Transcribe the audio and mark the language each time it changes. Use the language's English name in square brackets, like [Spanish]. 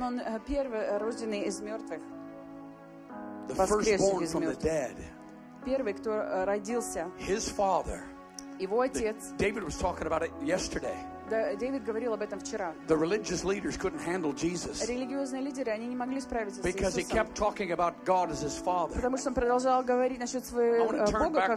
[Russian] Он первородный из мертвых. [English] The firstborn from the dead. [Russian] Первый, кто родился. [English] His father. [Russian] Его отец. [English] David was talking about it yesterday. [Russian] Дэвид говорил об этом вчера. [English] The religious leaders couldn't handle Jesus. [Russian] Религиозные лидеры, они не могли справиться с Иисусом. [English] Because he kept talking about God as his father. [Russian] Потому что он продолжал говорить насчет своего Бога как